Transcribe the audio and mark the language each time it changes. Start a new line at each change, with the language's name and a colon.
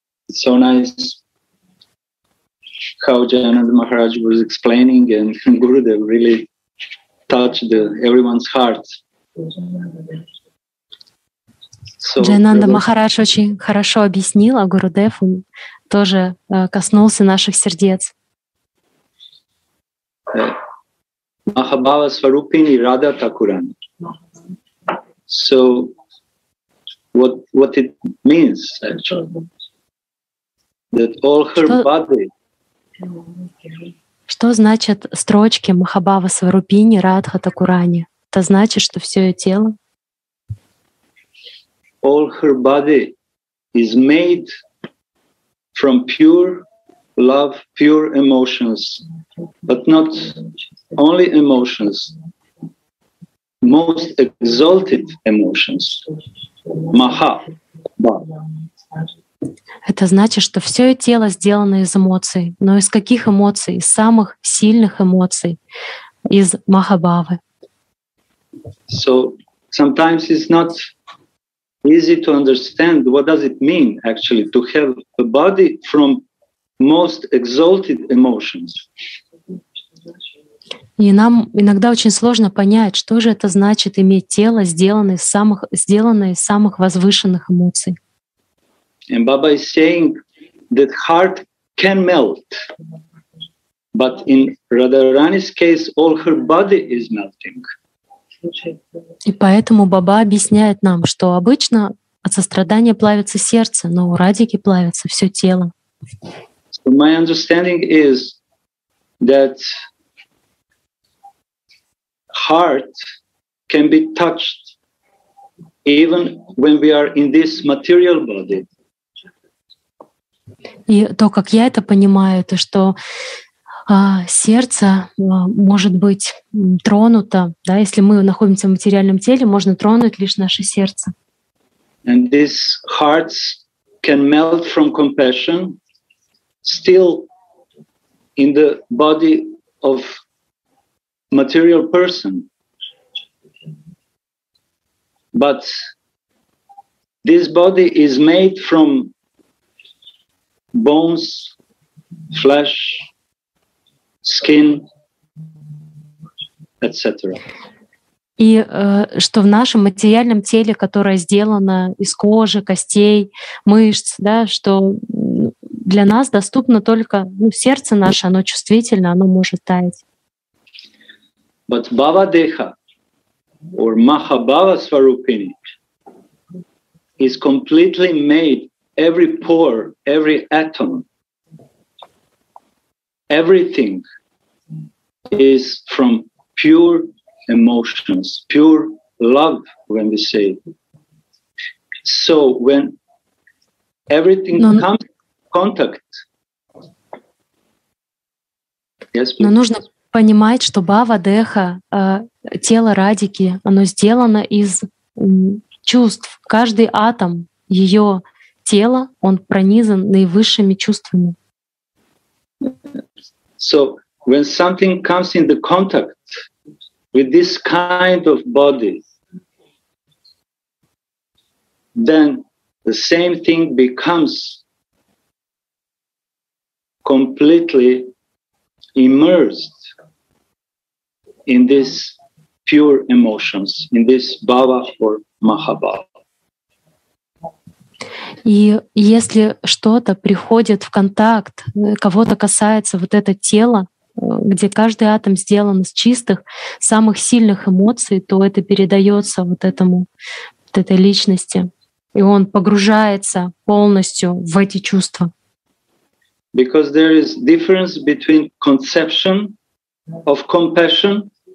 English: so nice how Jayananda Maharaj was explaining, and Gurudev really touched everyone's heart.
Russian: So, Джайананда Махарадж очень хорошо объяснил, а Гурудев тоже коснулся наших сердец. Махабава Сварупини Рада Такурани.
English: So, what it means actually, that all her body...
Russian: Что значит строчки Махабава Сварупини Радха Такурани? Это значит, что все ее тело...
English: All her body is made from pure love, pure emotions, but not only emotions, most exalted emotions, maha.
Russian: Это значит, что все тело сделано из эмоций, но из каких эмоций? Из самых сильных эмоций, из махабавы.
English: So sometimes it's not easy to understand what does it mean actually to have a body from most exalted emotions.
Russian: И нам иногда очень сложно понять, что же это значит иметь тело, сделанное из самых возвышенных эмоций.
English: And Baba is saying that heart can melt, but in Radharani's case all her body is melting.
Russian: И поэтому Баба объясняет нам, что обычно от сострадания плавится сердце, но у Радики плавится все тело.
English: So my understanding is that heart can be touched even when we are in this material body.
Russian: И то, как я это понимаю, то что сердце может быть тронуто, да, если мы находимся в материальном теле, можно тронуть лишь наше сердце.
English: And these hearts can melt from compassion still in the body of material person. But this body is made from bones, flesh, skin, etc.
Russian: И что в нашем материальном теле, которое сделано из кожи, костей, мышц, да, что для нас доступно только сердце наше, оно чувствительно, оно может таять.
English: But Bhava Deha or Mahabhava Swarupini is completely made every pore, every atom, everything is from pure emotions, pure love, when we say. So when everything comes in contact. Yes, please.
Russian: Но нужно понимать, что Бава Деха, тело Радики, оно сделано из чувств. Каждый атом ее тела, он пронизан наивысшими чувствами.
English: So when something comes in the contact with this kind of body, then the same thing becomes completely immersed in these pure emotions, in this bhava or mahabhava.
Russian: И если что-то приходит в контакт, кого-то касается вот это тело, где каждый атом сделан из чистых, самых сильных эмоций, то это передается вот этому, вот этой личности. И он погружается полностью в эти чувства.
English: Because there is difference between conception of compassion,